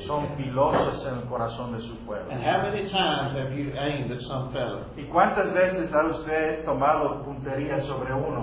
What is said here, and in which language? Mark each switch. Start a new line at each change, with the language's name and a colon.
Spanish: Son filosos en el corazón de su pueblo.
English: And how many times have you aimed at some fellow?
Spanish: ¿Y cuántas veces ha usted tomado puntería sobre uno?